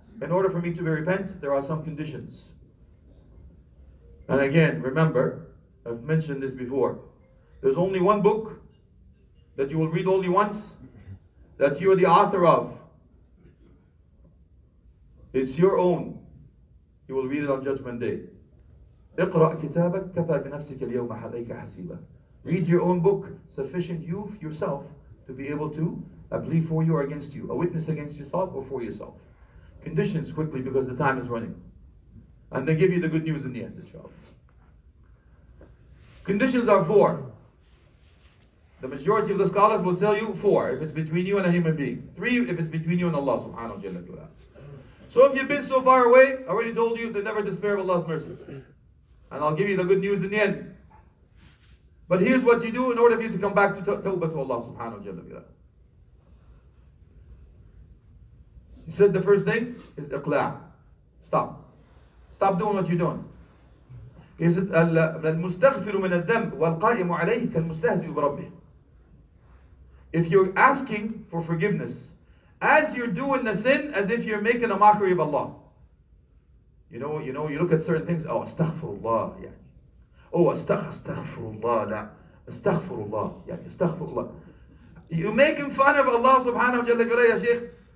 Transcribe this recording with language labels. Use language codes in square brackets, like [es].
[en] In order for me to repent, there are some conditions. And again, remember, I've mentioned this before. There's only one book that you will read only once, that you're the author of. It's your own. You will read it on Judgment Day. [ar] اقرأ كتابك كفى بنفسك اليوم عليك حسيبا. [en] Read your own book, sufficient you yourself to be able to a plea for you or against you, a witness against yourself or for yourself. Conditions quickly because the time is running. And they give you the good news in the end, inshallah. Conditions are four. The majority of the scholars will tell you four if it's between you and a human being. Three if it's between you and Allah subhanahu wa ta'ala. So if you've been so far away, I already told you to never despair of Allah's mercy. And I'll give you the good news in the end. But here's what you do in order for you to come back to tawbah to Allah subhanahu wa ta'ala. He said the first thing is iqla'. Stop. Stop doing what you're doing. He says, [ar] المستغفر من الذنب والقائم عليه كالمستهزئ بربه. [en] If you're asking for forgiveness, as you're doing the sin, as if you're making a mockery of Allah. You know, you look at certain things, oh, astaghfirullah, يعني. Oh, astaghfirullah, لا. Astaghfirullah, يعني, astaghfirullah. You're making fun of Allah subhanahu wa ta'ala, [ar] قلت يا شيخ.